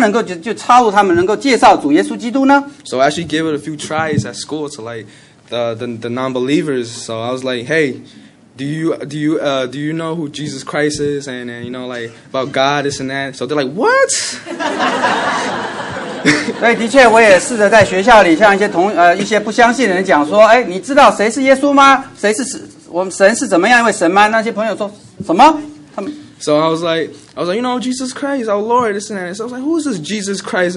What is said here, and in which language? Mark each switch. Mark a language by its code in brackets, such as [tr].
[zh] 所以当我在回家里想的时候，就说，我怎么能够，那突然就弱智碰到一个人，怎么能够就插入他们，能够介绍主耶稣基督呢 [en] ？So I actually gave it a few tries at school to the non-believers. So I was like, hey, do you know who Jesus Christ is and about God this and that? So they're like, what? [zh] 所以的确，我也试着在学校里向一些不相信的人讲说，哎，你知道谁是耶稣吗？谁是？我们神是怎么样一位神吗？那些朋友说什么？他们。 [en] So I was like, Jesus Christ, our Lord, this and that. So I was like, who is this Jesus Christ?